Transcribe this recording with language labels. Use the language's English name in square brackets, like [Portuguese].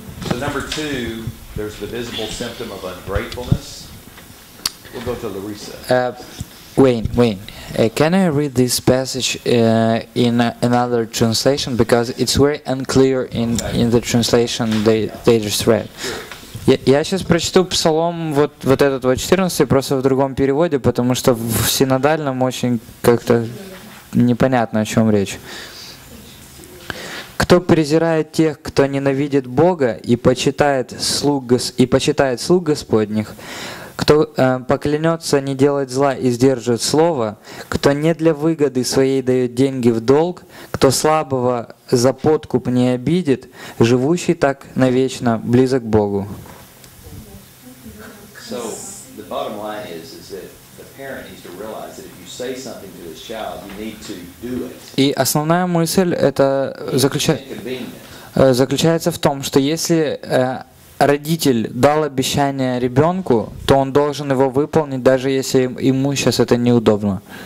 [English] So number two, there's the visible symptom of ungratefulness. We'll go to Larissa. Wayne, can I read this passage in another translation, because it's very unclear in the translation they just read. [Russian] Я сейчас прочту Псалом вот этот, 14, просто в другом переводе, потому что в синодальном очень как-то непонятно, о чем речь. Кто презирает тех, кто ненавидит Бога и почитает слуг Господних, кто поклянется не делать зла и сдержит слово, кто не для выгоды своей дает деньги в долг, кто слабого за подкуп не обидит, живущий так навечно близок к Богу. [English] So the bottom line is that the parent needs to realize that if you say something to his child, you need to do it. [Russian] И основная мысль это заключается в том, что если родитель дал обещание ребенку, то он должен его выполнить, даже если ему сейчас это неудобно.